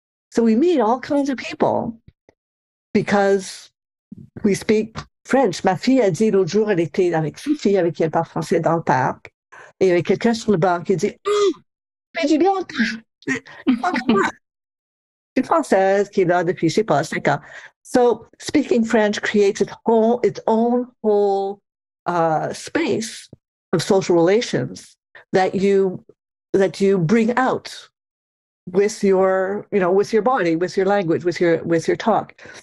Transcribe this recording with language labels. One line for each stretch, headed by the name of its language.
English: So we meet all kinds of people because we speak French.
French: Ma fille a dit l'autre jour, elle était avec six filles avec qui elle parle français dans le parc. Et il y avait quelqu'un sur le banc qui dit, oh, mais du bien, une française qui est là depuis, je ne sais pas, 5 ans.
English: So speaking French creates its own whole space of social relations that you bring out with your body, with your language, with your talk.